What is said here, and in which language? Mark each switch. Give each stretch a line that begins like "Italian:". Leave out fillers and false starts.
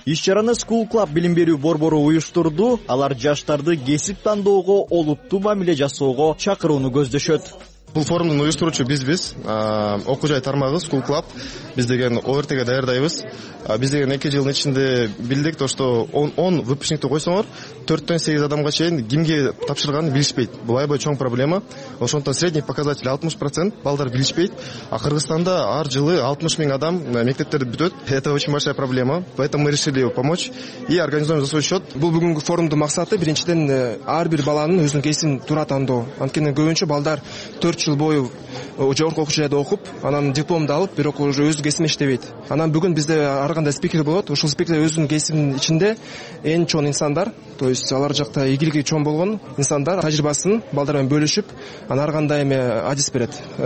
Kyrgyz: Иш чараны School Club билим берүү борбору уюштурду. Алар жаштарды кесип тандоого, олуттуу мамиле жасоого чакырууну көздөшөт. Бул форумдун уюштуруучу бизбиз. Окуу жай тармагы School Club. Биз деген ОРТ'ге даярдайбыз. Биз деген 2 жылдын ичинде билдик
Russian: то, что
Kyrgyz: 10 выпускникти койсоңор 4-тен 8 адамга чейин кимге тапшырганын билишпейт. Бул аябай чоң проблема. Ошондон
Russian: средний показатель
Kyrgyz: 60% балдар билишпейт. А Кыргызстанда ар жылы 60 000 адам мектептерди бүтөт.
Russian: Это очень большая проблема. Поэтому мы решили помочь и организуем за свой счет.
Kyrgyz: Бул бүгүнкү форумдун максаты биринчиден ар бир баланын өзүнүн кесибин туура тандоо. Анткени көбүнчө балдар 4 жыл бою жогорку окуу жайда окуп, анан дипломду алып, бирок уже өз кесибин иштебейт. Анан бүгүн бизде ар кандай спикер болот. Ушул спикер өзүнүн кесибинин ичинде эң чоң инсандар,
Russian: то есть
Kyrgyz: алар жакта ийгилиги чоң болгон инсандар тажрыйбасын балдар менен бөлүшүп, анан ар кандай эме адис берет.